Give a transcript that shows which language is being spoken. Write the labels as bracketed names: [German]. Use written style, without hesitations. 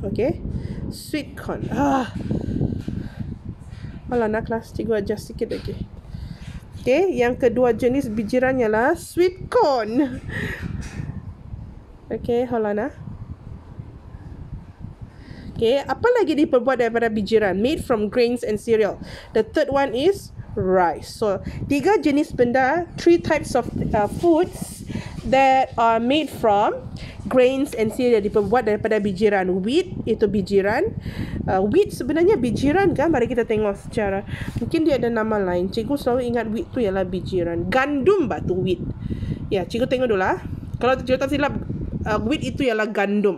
[Malay] Okay. Sweet corn. Ah. Malah nak kelas. Cikgu adjust sikit lagi. Okay. Okay, yang kedua jenis bijiran ialah sweet corn. Okay, [English] hold on. [Malay] Okay, apa lagi diperbuat daripada bijiran? [English] Made from grains and cereal. The third one is rice. So, [Malay] tiga jenis benda, [English] three types of foods that are made from grains and cereal. [Malay] Diperbuat daripada bijiran. Wheat, itu bijiran. Wheat sebenarnya bijiran kan? Mari kita tengok secara. Mungkin dia ada nama lain. Cikgu selalu ingat wheat tu ialah bijiran. Gandum batu wheat. Ya, cikgu tengok dulu lah. Kalau cikgu tak silap, wheat itu ialah gandum.